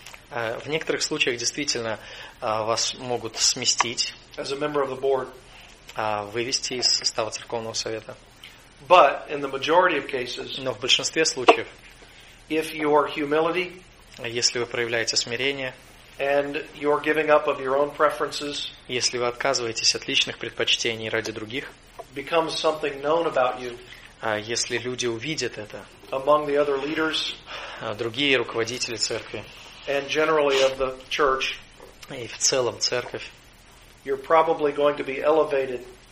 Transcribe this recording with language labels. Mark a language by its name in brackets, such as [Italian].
[Russian] В некоторых случаях действительно вас могут сместить, [English] as a member of the board, [Russian] вывести из состава церковного совета. [English] But in the majority of cases, [Russian] но в большинстве случаев, [English] if your humility, [Russian] если вы проявляете смирение, [English] And you're giving up of your own preferences. [Russian] Если вы отказываетесь от личных предпочтений ради других. [English] Becomes something known about you. [Russian] Если люди увидят это. [English] Among the other leaders. [Russian] Другие руководители церкви. [English] And generally of the church. [Russian] И в целом церковь. [English] You're probably going to be elevated.